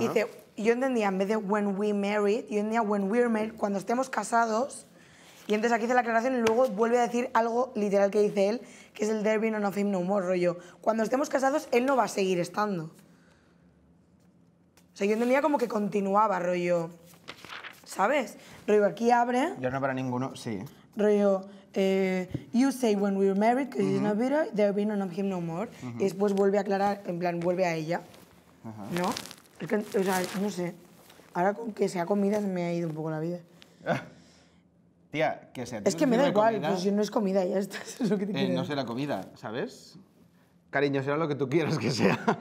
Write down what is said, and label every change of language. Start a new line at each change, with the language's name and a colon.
Spanish: Dice, yo entendía, en vez de
English: when we married,
Spanish: yo entendía
English: when we're married,
Spanish: cuando estemos casados. Y entonces aquí hace la aclaración y luego vuelve a decir algo literal que dice él, que es el
English: there be none of him no more,
Spanish: rollo. Cuando estemos casados, él no va a seguir estando. O sea, yo entendía como que continuaba, rollo, ¿sabes? Rollo, aquí abre. Ya no habrá ninguno, sí.
English: Rollo, you say when we're married, because uh-huh. It's not better, there be none of him no more.
Spanish: Uh-huh. Y después vuelve a aclarar, en plan, vuelve a ella. Uh-huh. ¿No? Es que, o sea, no sé. Ahora con que sea comida se me ha ido un poco la vida. Tía, que sea. Es que me da igual, comida, pues si no es comida, ya está. Es lo que te no será comida, ¿sabes? Cariño, será lo que tú quieras que sea.